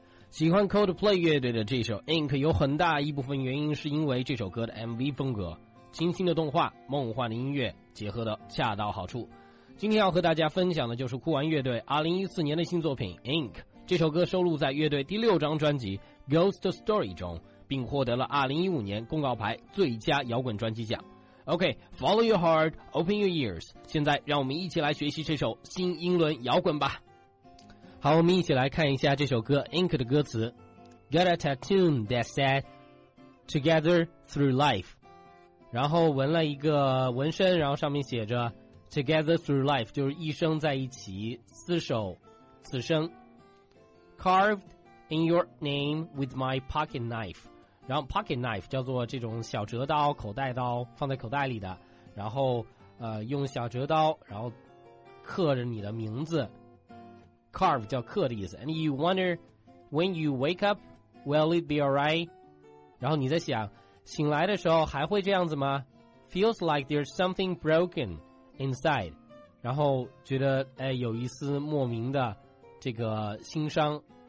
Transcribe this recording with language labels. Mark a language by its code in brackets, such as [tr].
[zh] 喜欢 Coldplay 乐队的这首 Ink 有很大一部分原因是因为这首歌的 MV 风格，清新的动画，梦幻的音乐结合得恰到好处。今天要和大家分享的就是酷玩乐队2014年的新作品 Ink。这首歌收录在乐队第六张专辑 Ghost Story 中，并获得了2015年公告牌最佳摇滚专辑奖。 [en] OK, follow your heart, open your ears. [zh] 现在让我们一起来学习这首新英伦摇滚吧。好，我们一起来看一下这首歌 Ink 的歌词。 [en] Got a tattoo that said, together through life. [zh] 然后纹了一个纹身，然后上面写着 [en] together through life, [zh] 就是一生在一起，厮守此生。 [en] Carved in your name with my pocket knife. [zh] 然后 pocket knife 叫做这种小折刀，口袋刀，放在口袋里的，然后用小折刀然后刻着你的名字， carve 叫刻的意思。 [en] And you wonder when you wake up will it be alright， [zh] 然后你在想醒来的时候还会这样子吗？ [en] Feels like there's something broken inside， [zh] 然后觉得哎有一丝莫名的这个心伤。